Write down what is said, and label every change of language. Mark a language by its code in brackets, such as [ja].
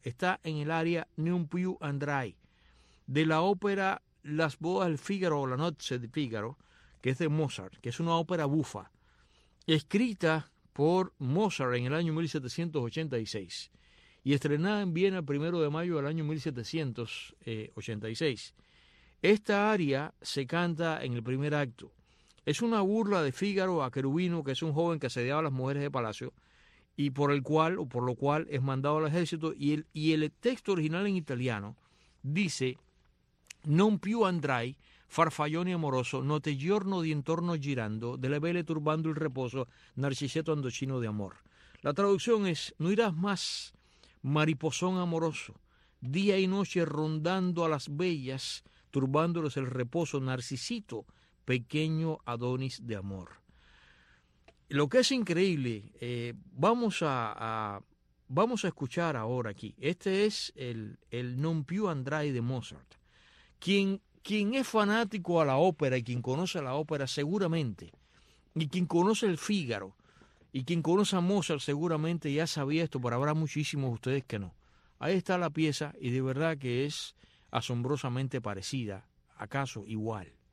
[es] Está en el área Ni un più andrai, de la ópera Las bodas del Fígaro, o La noche de Fígaro, que es de Mozart, que es una ópera bufa, escrita por Mozart en el año 1786 y estrenada en Viena el 1 de mayo del año 1786. Esta aria se canta en el primer acto. Es una burla de Fígaro a Querubino, que es un joven que asediaba a las mujeres de palacio y por lo cual es mandado al ejército. Y el texto original en italiano dice: [it] Non più andrai, farfallone amoroso, notte giorno di intorno girando, delle vele turbando il reposo, narciseto andocino de amor. [es] La traducción es: No irás más, mariposón amoroso, día y noche rondando a las bellas, turbándoles el reposo, narcisito, pequeño Adonis de amor. Lo que es increíble, vamos a escuchar ahora aquí. Este es el Non più andrai de Mozart. Quien es fanático a la ópera y quien conoce la ópera seguramente, y quien conoce el Fígaro, y quien conoce a Mozart seguramente ya sabía esto, pero habrá muchísimos de ustedes que no. Ahí está la pieza y de verdad que es asombrosamente parecida, acaso igual.